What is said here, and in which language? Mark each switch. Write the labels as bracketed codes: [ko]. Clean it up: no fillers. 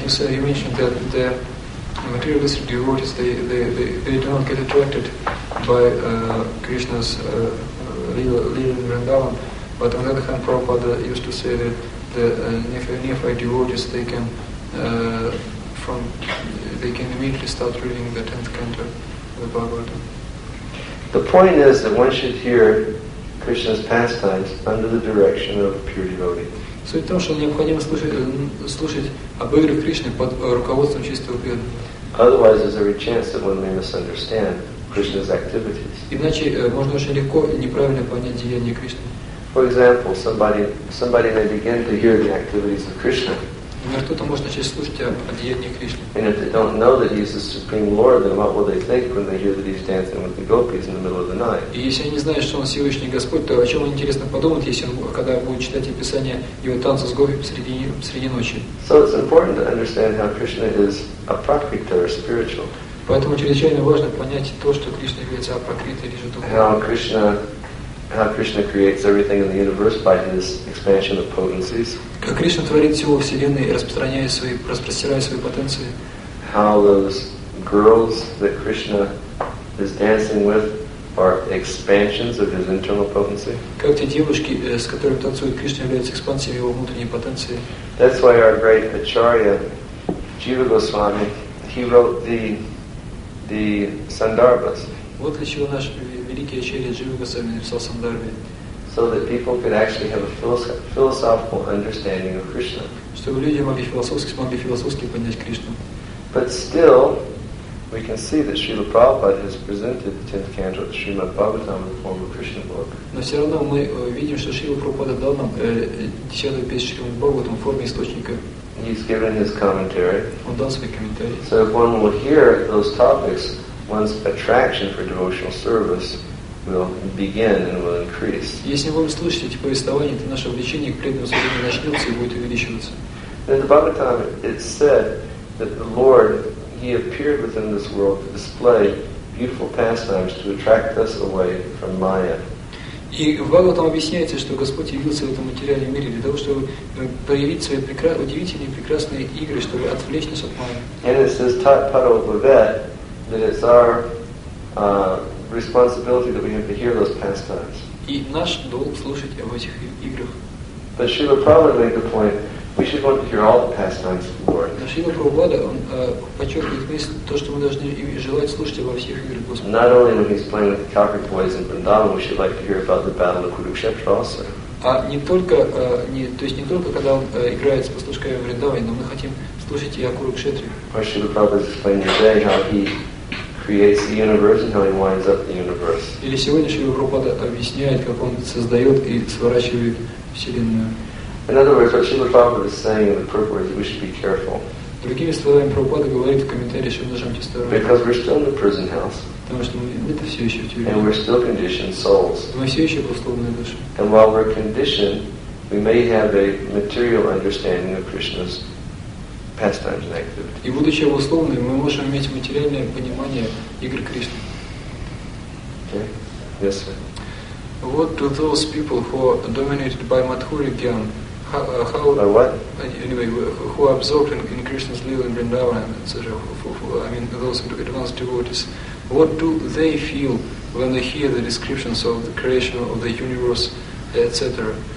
[en] He mentioned that the materialistic devotees they do not get attracted by Krishna's leela in Vrindavan, but on the other hand, Prabhupada used to say that the neophyte devotees they can immediately start reading the 10th canto of the Bhagavatam. The point is that one should hear Krishna's pastimes under the direction of a pure devotee. [ru] Суть в том, что необходимо слушать об игре Кришны под руководством чистого преданного. [en] Otherwise, there's every chance that one may misunderstand Krishna's activities. [ru] Иначе можно очень легко неправильно понять деяния Кришны. [en] For example, somebody may begin to hear the activities of Krishna. [ru] Например, кто-то может начать слушать о деяниях Кришны. [en] And if they don't know that he's the supreme Lord, then what will they think when they hear that he's dancing with the gopis in the middle of the night? [ru] И если они не знают, что он Всевышний Господь, то о чем интересно подумать, если он, когда будет читать описание его танца с гопи посреди ночи? [en] So it's important to understand how Krishna is a prakriti or spiritual. [ru] Поэтому чрезвычайно важно понять то, что Кришна является апракрити или же духовным. [en] How Krishna creates everything in the universe by his expansion of potencies. [ru] Как Кришна творит все во Вселенной и распространяет свои потенции. [en] How those girls that Krishna is dancing with are expansions of his internal potency. [ru] Как те девушки, с которыми танцует Кришна, являются экспансией его внутренней потенции. [en] That's why our great Acharya, Jiva Goswami, he wrote the Sandarbhas. [ru] Вот для чего наш великий Ачарья Джива Госвами написал Сандарби. [en] So that people could actually have a philosophical understanding of Krishna. [ru] Чтобы люди могли философски понять Кришну. [en] But still, we can see that Srila Prabhupada has presented the 10th canto of Srimad Bhagavatam in the form of Krishna book. [ru] Но все равно мы видим, что Шрила Прабхупада дал нам 10-ю песню Шримад Бхагаватам в форме источника. [en] He's given his commentary. [ru] Он дал свой комментарий. [en] So if one will hear those topics, one's attraction for devotional service will begin and will increase. [ru] Если вы услышите эти повествования, то наше увлечение к преданному служению начнется и будет увеличиваться. [en] In the Bhagavatam, it's said that the Lord, He appeared within this world to display beautiful pastimes to attract us away from Maya. [ru] И в Бхагаватам объясняется, что Господь явился в этом материальном мире для того, чтобы проявить свои удивительные, прекрасные игры, чтобы отвлечь нас от Майя. [en] And it says, Tat Paro Bhavet, that it's our responsibility that we have to hear those pastimes. [ru] И наш долг слушать об этих играх. [en] But Srila Prabhupada made the point, we should want to hear all the pastimes of Prabhupada. [ru] Но Шрила Прабхупада, он подчеркивает мысль, то, что мы должны желать слушать обо всех играх Господа. [en] Not only when he's playing with the cowherd boys in Vrindavan, we should like to hear about the battle of Kurukshetra also. [ru] А не только, не, то есть не только, когда он играет с пастушками в Вриндаване, но мы хотим слушать и о Курукшетре. [en] Or Шрила Прабхупада is explaining today how he creates the universe and how he winds up the universe. [ru] Или сегодня Шрила Прабхупада объясняет, как он создает и сворачивает Вселенную. [en] In other words, what Srila Prabhupada is saying in the purport is that we should be careful. [ru] Другими словами, Прабхупада говорит в комментарии, что мы должны быть осторожны. [en] Because we're still in the prison house. [ru] Потому что мы-то все еще в тюрьме. [en] And we're still conditioned souls. [ru] Мы все еще условные души. [en] And while we're conditioned, we may have a material understanding of Krishna's pastimes and activities. [ru] И будучи условными, мы можем иметь материальное понимание игр Кришны. [en] Okay. Yes, sir. What do those people who are dominated by Madhurya Gyan, how by what? Anyway, who are absorbed in Krishna's lila in Vrindavan, etc., I mean, those advanced devotees, what do they feel when they hear the descriptions of the creation of the universe, etc.?